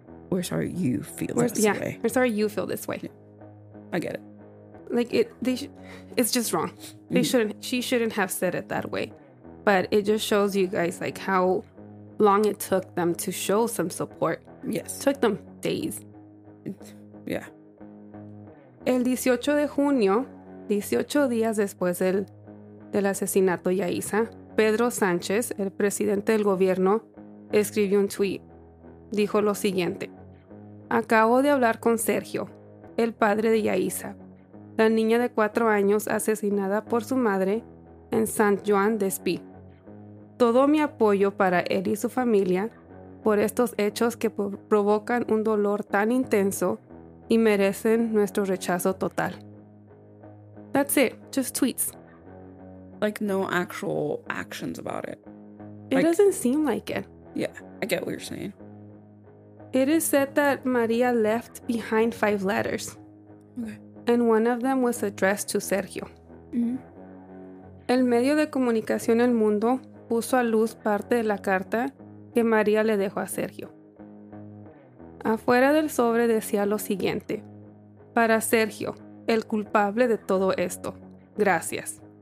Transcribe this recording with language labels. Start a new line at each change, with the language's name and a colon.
English: we're sorry you feel this way. We're sorry you feel this way. Yeah. I get it. Like, it's just wrong. She shouldn't have said it that way. But it just shows you guys, like, how long it took them to show some support. Yes. Took them days. Yeah.
Spanish: El 18 de junio, 18 días después del asesinato de Yaiza, Pedro Sánchez, el presidente del gobierno, escribió un tweet. Dijo lo siguiente. Acabo de hablar con Sergio, el padre de Yaiza, la niña de 4 años asesinada por su madre en San Juan de Espí. Todo mi apoyo para él y su familia por estos hechos que provocan un dolor tan intenso y merecen nuestro rechazo total.
English: That's it. Just tweets. Like, no actual actions about it. It doesn't seem like it. Yeah, I get what you're saying. It is said that Maria left behind 5 letters. Okay. And one of them was addressed to Sergio. Mm-hmm.
Spanish: El medio de comunicación El Mundo puso a luz parte de la carta que María le dejó a Sergio. Afuera del sobre decía lo siguiente. Para Sergio, el culpable de todo esto. Gracias.